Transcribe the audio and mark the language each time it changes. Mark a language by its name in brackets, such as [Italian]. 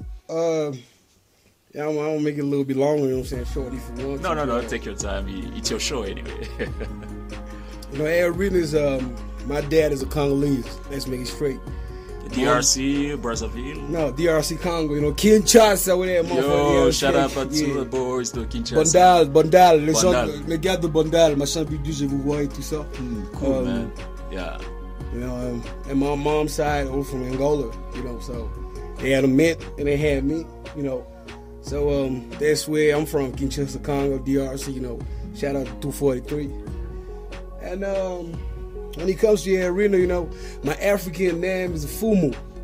[English] I want to make it a little bit longer, you know what I'm saying? Short if you want. No. Take your time. It's your show anyway. You know, Arena is, my dad is a Congolese. Let's make it straight. DRC, Brazzaville? No, DRC, Congo, you know, Kinshasa, where they're motherfucking. Yo, shout out to the boys, the Kinshasa. Bandal. [French] Les gens, les gars de Bandal, machin, puis je vous vois et tout ça. [English] Cool, man. Yeah. You know, and my mom's side, I'm from Angola, you know, so they had a mint and they had me, you know. So that's where I'm from, Kinshasa, Congo, DRC, you know. Shout out to 243. And, when it comes to the arena, you know, my African name is Fumu.